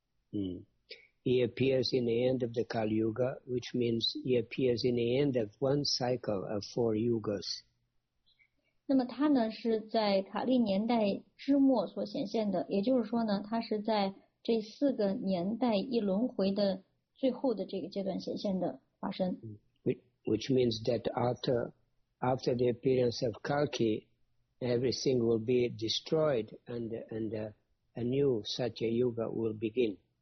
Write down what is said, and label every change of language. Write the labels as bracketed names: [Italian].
[English] He appears in the end of the Kali Yuga, which means he appears in the end of one cycle of four yugas. [Chinese] 那么他呢是在卡利年代之末所显现的，也就是说呢，他是在这四个年代一轮回的最后的这个阶段显现的化身。 [English] Which means that after the appearance of Kalki, everything will be destroyed and a new Satya Yuga will begin.